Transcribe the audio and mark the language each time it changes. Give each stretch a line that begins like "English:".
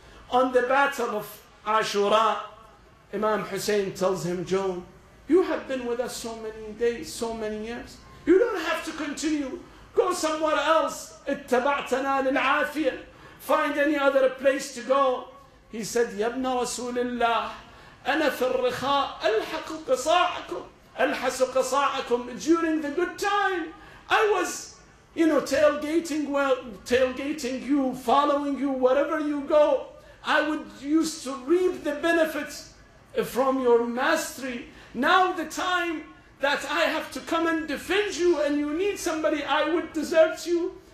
English: On the battle of Ashura, Imam Hussein tells him, Joan, you have been with us so many days, so many years. You don't have to continue. Go somewhere else.
Arabic: اتبعتنا للعافية.
English: Find any other place to go. He said,
Arabic: يا ابن رسول الله, أنا في الرخاء ألحق قصاعكم. Alhasuk asa'akum,
English: during the good time, I was, you know, tailgating you, following you, wherever you go. I would used to reap the benefits from your mastery. Now the time that I have to come and defend you and you need somebody, I would desert you.